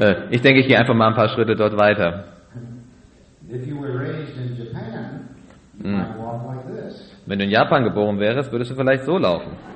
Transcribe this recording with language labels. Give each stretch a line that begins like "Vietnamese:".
German: Ich denke, ich gehe einfach mal ein paar Schritte dort weiter.
English: If you were raised in Japan, you might walk like this.
German: Wenn du in Japan geboren wärst, würdest du vielleicht so laufen.